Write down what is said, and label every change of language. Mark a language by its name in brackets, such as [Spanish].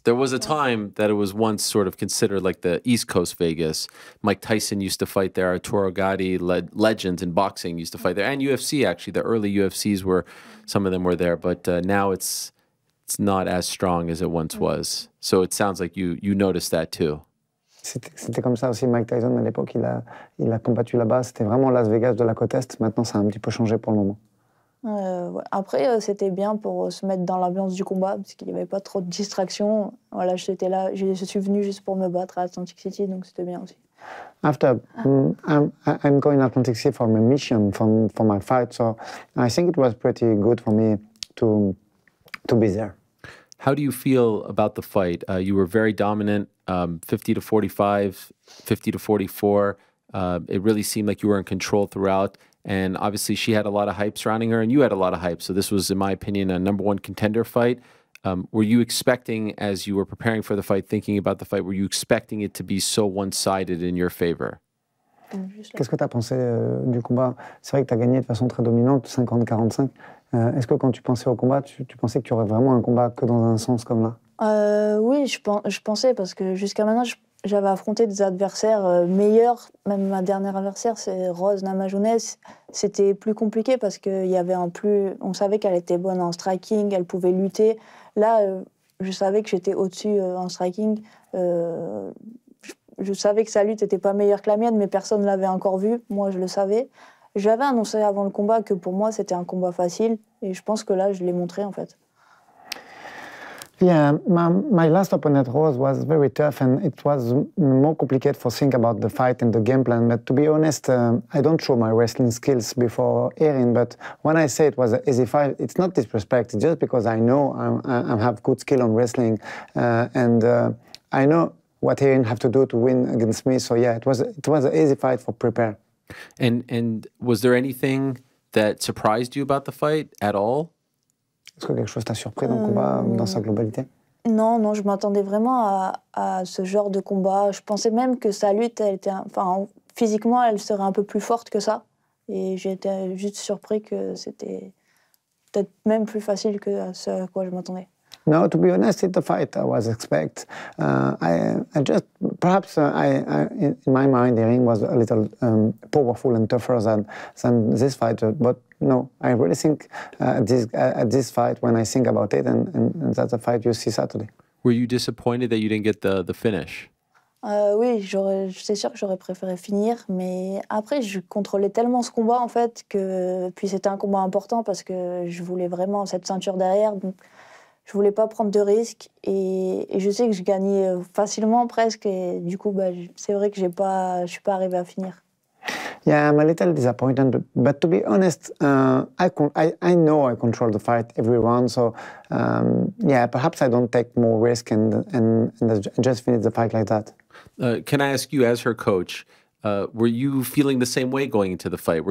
[English] There was a time that it was once sort of considered like the East Coast Vegas. Mike Tyson used to fight there. Arturo Gatti, legends in boxing, used to fight there, and UFC actually. The early UFCs were, some of them were there, but now it's. It's not as strong as it once was. So it sounds like you noticed that too. [French] C'était comme ça aussi Mike Tyson à l'époque, il a combattu là-bas, c'était vraiment Las Vegas de la côte Est. Maintenant ça a un petit peu changé pour le moment. Après c'était bien pour se mettre dans l'ambiance du combat parce qu'il y avait pas trop de distractions. Voilà, j'étais là, je suis venu juste pour me battre à Atlantic City, donc c'était bien aussi. [English] After I'm going to Atlantic City for my mission for my fight, so I think it was pretty good for me to be there. How do you feel about the fight? You were very dominant, 50-45, 50-44. It really seemed like you were in control throughout. And obviously she had a lot of hype surrounding her and you had a lot of hype. So this was, in my opinion, a number one contender fight. Were you expecting, as you were preparing for the fight, thinking about the fight, were you expecting it to be so one-sided in your favor? [French] Qu'est-ce que tu as pensé du combat? C'est vrai que tu as gagné de façon très dominante, 50-45. Est-ce que quand tu pensais au combat, tu pensais que tu aurais vraiment un combat que dans un sens comme là? Oui, je pensais parce que jusqu'à maintenant, j'avais affronté des adversaires meilleurs. Même ma dernière adversaire, c'est Rose Namajunas. C'était plus compliqué parce qu'il y avait on savait qu'elle était bonne en striking, elle pouvait lutter. Là, je savais que j'étais au-dessus en striking. Je savais que sa lutte n'était pas meilleure que la mienne, mais personne ne l'avait encore vue. Moi, je le savais. J'avais annoncé avant le combat que pour moi, c'était un combat facile. Et je pense que là, je l'ai montré, en fait. [English] Yeah, my last opponent, Rose, was very tough. And it was more complicated for think about the fight and the game plan. But to be honest, I don't show my wrestling skills before Erin. But when I say it was an easy fight, it's not disrespect. It's just because I know I have good skill on wrestling. I know what Erin have to do to win against me. So yeah, it was an easy fight for prepare. And was there anything that surprised you about the fight at all? [French] Est-ce que quelque chose t'a surpris dans le combat, dans sa globalité? Non, je m'attendais vraiment à ce genre de combat. Je pensais même que sa lutte, elle était, enfin, physiquement, elle serait un peu plus forte que ça. Et j'étais juste surpris que c'était peut-être même plus facile que ce à quoi je m'attendais. [English] No, to be honest, it's the fight I was expect. In my mind, Erin was a little powerful and tougher than this fighter. But no, I really think this fight when I think about it, and that's the fight you see Saturday. Were you disappointed that you didn't get the finish? [French] Oui, c'est sûr que j'aurais préféré finir, mais après je contrôlais tellement ce combat en fait que puis c'était un combat important parce que je voulais vraiment cette ceinture derrière. Donc, je voulais pas prendre de risques et je sais que je gagnais facilement presque et du coup bah, c'est vrai que je suis pas arrivé à finir. [English] Yeah, I'm a little disappointed, but to be honest, I know I control the fight every round, so yeah, perhaps I don't take more risk and just finish the fight like that. Can I ask you, as her coach, were you feeling the same way going into the fight?